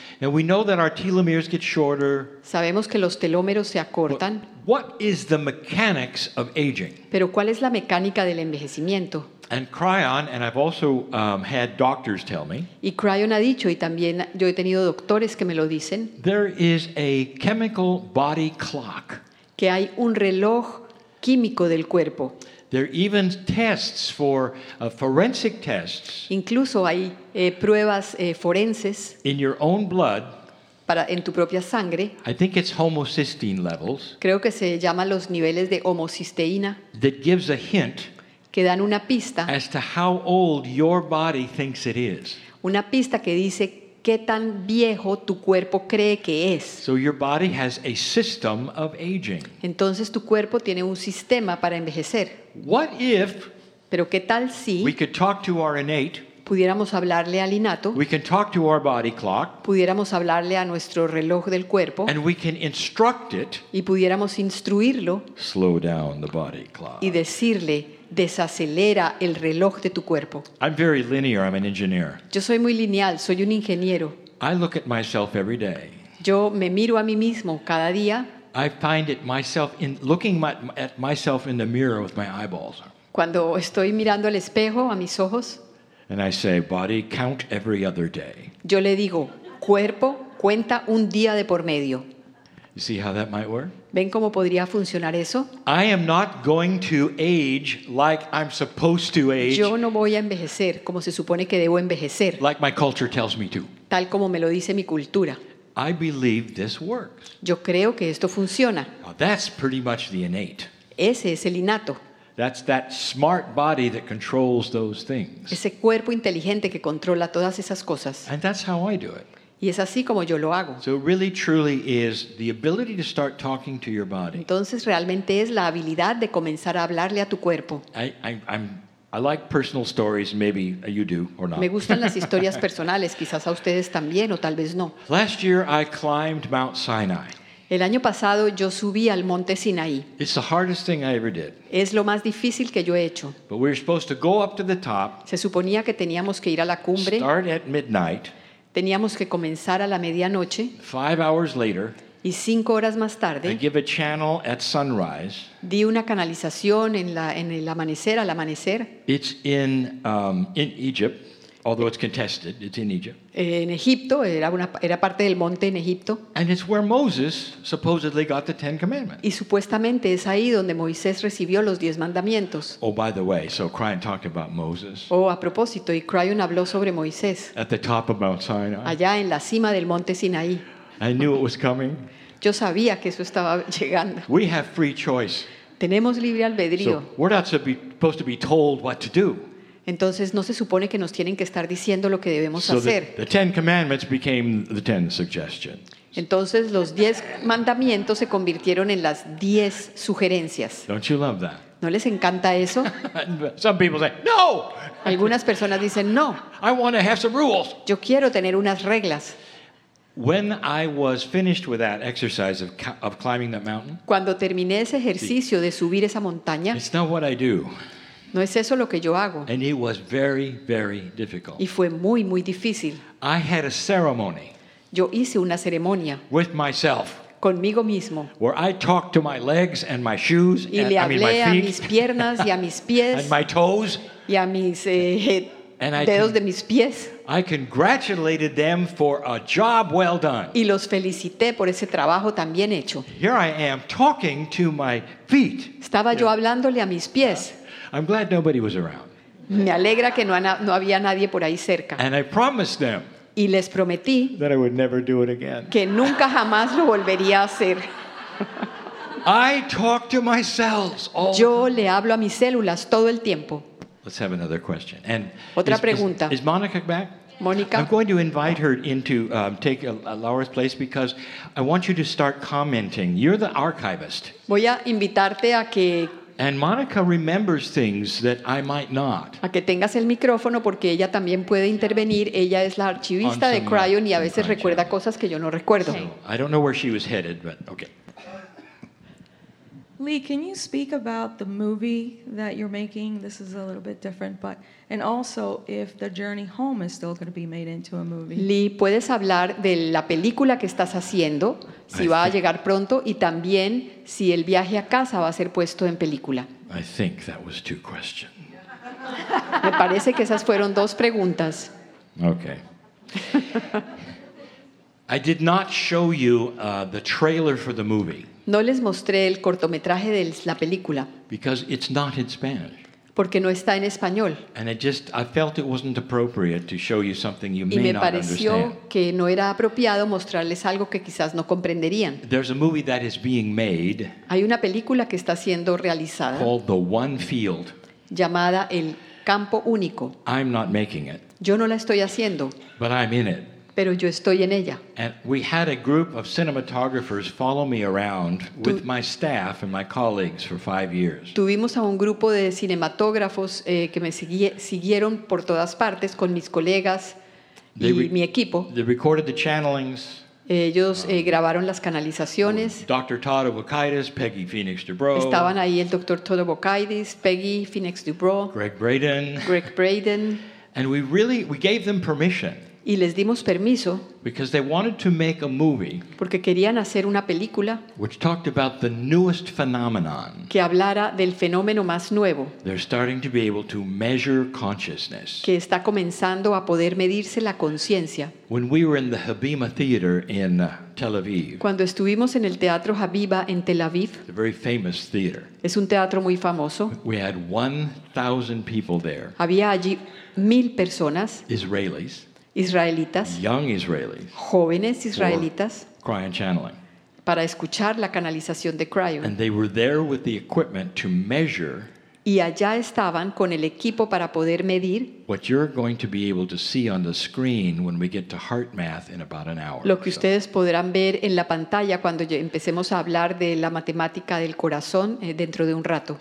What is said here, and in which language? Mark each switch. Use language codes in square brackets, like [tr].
[en] And we know that our telomeres get shorter. [es] Sabemos que los telómeros se acortan. [en] But what is the mechanics of aging? [es] ¿Pero cuál es la mecánica del envejecimiento? [en] And Kreon, and I've also had doctors tell me. [es] Y Kreon ha dicho, y también yo he tenido doctores que me lo dicen. [en] There is a chemical body clock. [es] Que hay un reloj químico del cuerpo. [en] There are even tests for forensic tests. [es] Incluso hay pruebas forenses. [en] In your own blood. [es] Para en tu propia sangre. [en] I think it's homocysteine levels. [es] Creo que se llama los niveles de homocisteína. [en] That gives a hint. [es] Que dan una pista. [en] As to how old your body thinks it is. [es] Una pista que dice qué tan viejo tu cuerpo cree que es. [en] So your body has a system of aging. [es] Entonces tu cuerpo tiene un sistema para envejecer. [en] What if? [es] Pero qué tal si [en] we could talk to our innate. [es] Pudiéramos hablarle al innato. [en] We can talk to our body clock. [es] Pudiéramos hablarle a nuestro reloj del cuerpo. [en] And we can instruct it. [es] Y pudiéramos instruirlo. [en] Slow down the body clock. [es] Y decirle, desacelera el reloj de tu cuerpo. [en] I'm very linear, I'm an engineer. [es] Yo soy muy lineal, soy un ingeniero. [en] I look at myself every day. [es] Yo me miro a mí mismo cada día. [en] I find it myself in looking at myself in the mirror with my eyeballs. [es] Cuando estoy mirando al espejo a mis ojos. [en] And I say, body, count every other day. [es] Yo le digo, cuerpo, cuenta un día de por medio. [en] You see how that might work? [es] ¿Ven cómo podría funcionar eso? [en] I am not going to age like I'm supposed to age. [es] Yo no voy a envejecer como se supone que debo envejecer. [en] Like my culture tells me to. [es] Tal como me lo dice mi cultura. [en] I believe this works. [es] Yo creo que esto funciona. [en] Now, that's pretty much the innate. [es] Ese es el innato. [en] That's that smart body that controls those things. [es] Ese cuerpo inteligente que controla todas esas cosas. [en] And that's how I do it. [es] Y es así como yo lo hago. [en] So really, truly is the ability to start talking to your body. [es] Entonces realmente es la habilidad de comenzar a hablarle a tu cuerpo. [en] I like personal stories, maybe you do or not. [es] Me gustan las historias personales, quizás a ustedes también o tal vez no. [en] Last year I climbed Mount Sinai. [es] El año pasado yo subí al monte Sinaí. [en] It's the hardest thing I ever did. [es] Es lo más difícil que yo he hecho. [en] But we were supposed to go up to the top. [es] Se suponía que teníamos que ir a la cumbre. [en] Start at midnight. [es] Teníamos que comenzar a la medianoche. [en] 5 hours later. [es] Y 5 horas más tarde. [en] I give a channel at sunrise. [es] Di una canalización al amanecer. [en] It's in Egypt, although it's contested. It's in Egypt. [es] En Egipto, era parte del monte en Egipto. [en] And it's where Moses supposedly got the Ten Commandments. [es] Y supuestamente es ahí donde Moisés recibió los 10 mandamientos. [en] Oh, by the way, so Cryon talked about Moses. [es] Oh, a propósito, y Cryon habló sobre Moisés. [en] At the top of Mount Sinai. [es] Allá en la cima del monte Sinaí. [en] I knew it was coming. [es] Yo sabía que eso estaba llegando. [en] We have free choice. [es] Tenemos libre albedrío. [en] So we're not supposed to be told what to do. [es] Entonces no se supone que nos tienen que estar diciendo lo que debemos hacer. [en] The Ten Commandments became the Ten Suggestions. [es] Entonces los 10 mandamientos se convirtieron en las 10 sugerencias. [en] Don't you love that? [es] ¿No les encanta eso? [en] Some people say, no! [es] Algunas personas dicen no. [en] I want to have some rules. [es] Yo quiero tener unas reglas. [en] When I was finished with that exercise of climbing that mountain, [es] cuando terminé ese ejercicio de subir esa montaña, [en] it's not what I do. [es] No es eso lo que yo hago. [en] And it was very, very difficult. [es] Y fue muy, muy difícil. [en] I had a ceremony. [es] Yo hice una ceremonia. [en] With myself. [es] Conmigo mismo. [en] Where I talked to my legs and my shoes. [es] Y le hablé a mis piernas y a mis pies. [en] And my toes. [es] Y a mis dedos de mis pies. [en] I congratulated them for a job well done. [es] Y los felicité por ese trabajo tan bien hecho. [en] Here I am talking to my feet. [es] Estaba yo hablándole a mis pies. [en] I'm glad nobody was around. [es] Me alegra que no había nadie por ahí cerca. [en] And I promised them. [es] Y les prometí. [en] That I would never do it again. [es] Que nunca jamás lo volvería a hacer. [en] I talk to my cells all. [es] Yo le hablo a mis células todo el tiempo. [en] Let's have another question. And [es] otra pregunta. [en] Is Monica back? [es] Monica. [en] I'm going to invite her into take a Laura's place because I want you to start commenting. You're the archivist. [es] Voy a invitarte a que. [en] And Monica remembers things that I might not. [es] A que tengas el micrófono porque ella también puede intervenir. Ella es la archivista de Cryon y a veces recuerda cosas que yo no recuerdo. [en] So, I don't know where she was headed, but okay. Lee, can you speak about the movie that you're making? This is a little bit different, but and also if The Journey Home is still going to be made into a movie. [es] Lee, ¿puedes hablar de la película que estás haciendo, si va a llegar pronto, y también si El Viaje a Casa va a ser puesto en película? [en] I think that was 2 questions. [es] Me parece que esas fueron 2 preguntas. [en] Okay. I did not show you the trailer for the movie. [es] No les mostré el cortometraje de la película. [en] Because it's not in Spanish. [es] Porque no está en español. [en] And I felt it wasn't appropriate to show you something you may not understand. [es] Y me pareció que no era apropiado mostrarles algo que quizás no comprenderían. [en] There's a movie that is being made. [es] Hay una película que está siendo realizada. [en] Called The One Field. [es] Llamada El Campo Único. [en] I'm not making it. [es] Yo no la estoy haciendo. [en] But I'm in it. [es] Pero yo estoy en ella. [en] And we had a group of cinematographers follow me around with my staff and my colleagues for 5 years. [es] Tuvimos a un grupo de cinematógrafos que me siguieron por todas partes con mis colegas y mi equipo. [en] They recorded the channelings. [es] Ellos grabaron las canalizaciones. [en] Dr. Todd Avocaitis, Peggy Phoenix Dubrow. [es] Estaban ahí el Dr. Todd Avocaitis, Peggy Phoenix Dubrow. [en] Greg Braden. [es] Greg Braden. [en] And we gave them permission. [es] Y les dimos permiso [en] because they wanted to make a movie, [es] porque querían hacer una película, [en] which talked about the newest phenomenon, [es] que hablara del fenómeno más nuevo. [en] They're starting to be able to measure consciousness, [es] que está comenzando a poder medirse la conciencia. [en] When we were in the Habima Theater in Tel Aviv, [es] cuando estuvimos en el Teatro Habiba en Tel Aviv, [en] a very famous theater, [es] es un teatro muy famoso, [en] we had 1,000 people there, [es] había allí 1,000 personas, [en] Israelis, [es] israelitas, [en] young Israelis, [es] jóvenes israelitas, [en] cryo channeling, [es] para escuchar la canalización de cryo. [en] And they were there with the equipment to measure, [es] y allá estaban con el equipo para poder medir, [en] what you're going to be able to see on the screen when we get to HeartMath in about an hour. [es] Lo que ustedes podrán ver en la pantalla cuando empecemos a hablar de la matemática del corazón dentro de un rato.